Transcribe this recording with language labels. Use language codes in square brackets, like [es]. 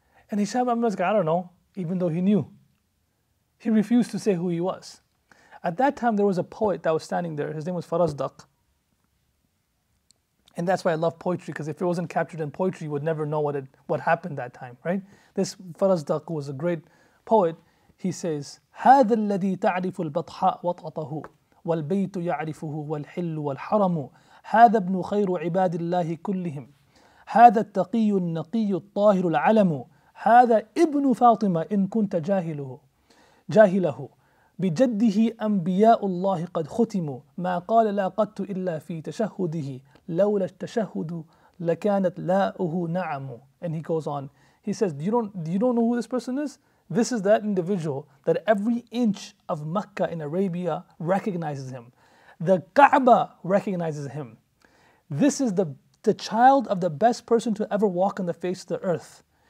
[en] And Hisham ibn Abd al-Malik, I don't know. Even though he knew, he refused to say who he was. At that time, there was a poet that was standing there. His name was Farazdaq. And that's why I love poetry, because if it wasn't captured in poetry, you would never know what happened that time, right? This Farazdaq was a great poet. He says, [ar] هذا الذي تعرف البطحاء وطأطه والبيت يعرفه والحل والحرم هذا ابن خير عباد الله كلهم هذا التقي النقي الطاهر العلم هذا ابن فاطمة إن كنت جاهله بجده أنبياء الله قد ختموا ما قال لا قدت إلا في تشهده لولا التشهد لكانت لاؤه نعم. [en] And he goes on. He says, you don't know who this person is? This is that individual that every inch of Mecca in Arabia recognizes him. The Kaaba recognizes him. This is the child of the best person to ever walk on the face of the earth.